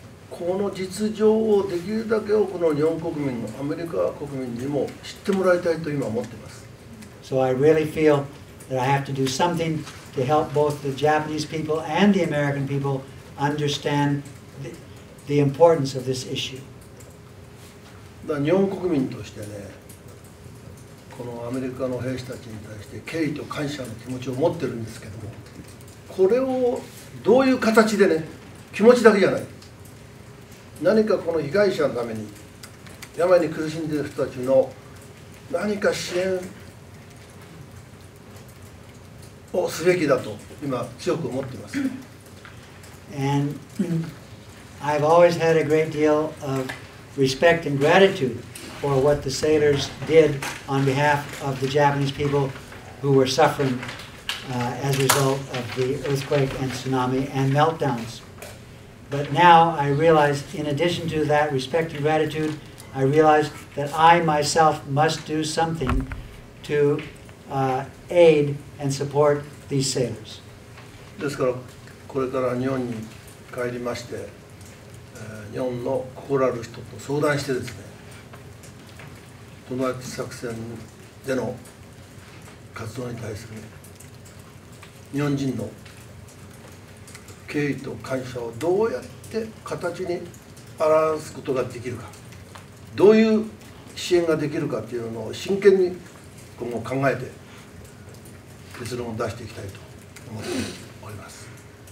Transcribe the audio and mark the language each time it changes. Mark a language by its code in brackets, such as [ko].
[ja] この実情をできるだけ多くの日本国民のアメリカ国民にも知ってもらいたいと今思っています。 [en] So I really feel that I have to do something to help both the Japanese people and the American people understand the importance of this issue. [ja] だから日本国民としてね、このアメリカの兵士たちに対して敬意と感謝の気持ちを持ってるんですけども、これをどういう形でね、気持ちだけじゃない、何かこの被害者のために病に苦しんでいる人たちの何か支援をすべきだと今強く思っています。 [en] And I've always had a great deal of respect and gratitude for what the sailors did on behalf of the Japanese people who were suffering as a result of the earthquake and tsunami and meltdowns. But now I realize, in addition to that respect and gratitude, I realize that I myself must do something to aid and support these sailors. [ja] ですから、これから日本に帰りまして、日本の心ある人と相談してですね、トマチ作戦での活動に対する日本人の敬意と感謝をどうやって形に表すことができるか、どういう支援ができるかというのを真剣に今後考えて結論を出していきたいと思っております。